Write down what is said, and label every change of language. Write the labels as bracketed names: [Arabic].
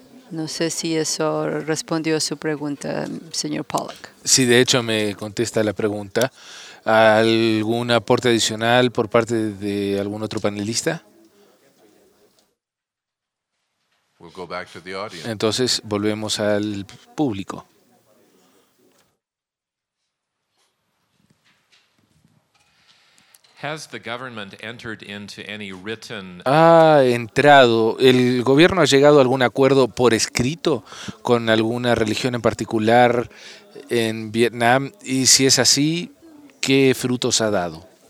[Spanish] No sé si eso respondió a su pregunta, señor Pollock. Sí, de hecho me contesta la pregunta. ¿Algún aporte adicional por parte de algún otro panelista? [English] We'll go back to the audience. [Spanish] Entonces volvemos al público. [English] Has the government entered into any written? [Spanish] ¿Ha entrado? ¿El gobierno ha llegado a algún acuerdo por escrito con alguna religión en particular en Vietnam? Y si es así, ¿qué frutos ha dado?